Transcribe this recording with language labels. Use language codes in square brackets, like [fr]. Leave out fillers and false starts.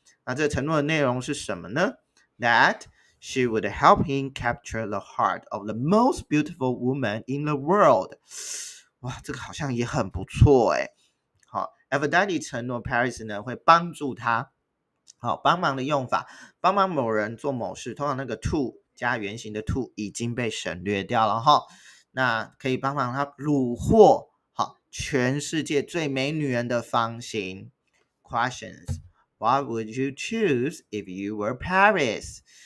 [zh] 那这承诺的内容是什么呢 [en] ？That she would help him capture the heart of the most beautiful woman in the world。 [zh] 哇，这个好像也很不错哎。好 ，Aphrodite 承诺 Paris 呢会帮助他。好，帮忙的用法，帮忙某人做某事，通常那个 to 加原型的 to 已经被省略掉了哈。那可以帮忙他虏获好全世界最美女人的芳心。 [en] Questions: What would you choose if you were Paris？